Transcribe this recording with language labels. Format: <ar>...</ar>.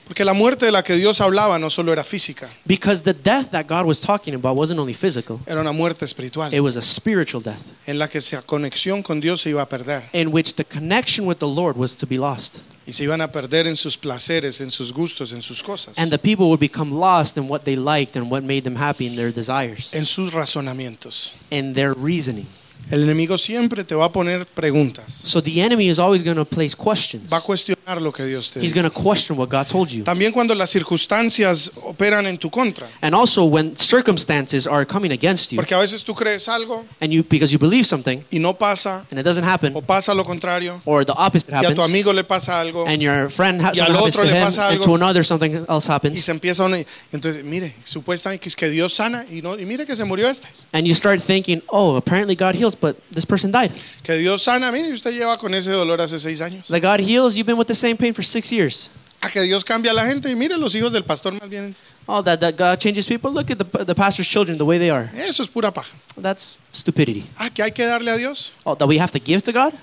<es>Porque la muerte de la que Dios hablaba no solo era física.</es> <en>Because the death that God was talking about wasn't only physical.</en> <es>Era una muerte espiritual.</es> <en>It was a spiritual death.</en> <es>En la que la conexión con Dios se iba a perder.</es> <en>In which the connection with the Lord was to be lost.</en> <es>Y se iban a perder en sus placeres, en sus gustos, en sus cosas.</es> <en>And the people would become lost in what they liked and what made them happy in their desires.</en> <es>En sus razonamientos.</es> <en>In their reasoning.</en> <es>El enemigo siempre te va a poner preguntas.</es> <en>So the enemy is always going to place questions.</en> <es>Va a cuestionar lo que Dios te</es> <en>dijo. He's going to question what God told you.</en> <es>También cuando las circunstancias operan en tu contra.</es> <en>And also when circumstances are coming against you.</en> <es>Porque a veces tú crees algo.</es> <en>And you, because you believe something.</en> <es>Y no pasa.</es> <en>And it doesn't happen.</en> <es>O pasa lo contrario.</es> <en>Or the opposite happens.</en> <es>Y a tu amigo le pasa algo.</es> <en>And your friend has something happens to him.</en> <es>Pasa algo.</es> <en>And to another something else happens.</en> <es>Y se empieza una, entonces mire, supuestamente es que Dios sana y no, y mire que se murió este.</es> <en>And you start thinking, oh, apparently God heals. But this person died.</en> <es>Que Dios sana, mire, usted lleva con ese dolor hace 6 años.</es> <en>That God heals, you've been with the same pain for 6 years.</en> <es>A que Dios cambia la gente y mire los hijos del pastor más bien.</es> <en>Oh, that God changes people. Look at the pastor's children, the way they are.</en> <es>Eso es pura paja.</es> <en>That's stupidity.</en> <es>Ah, que hay que darle a Dios.</es> <en>Oh, that we have to give to God.</en>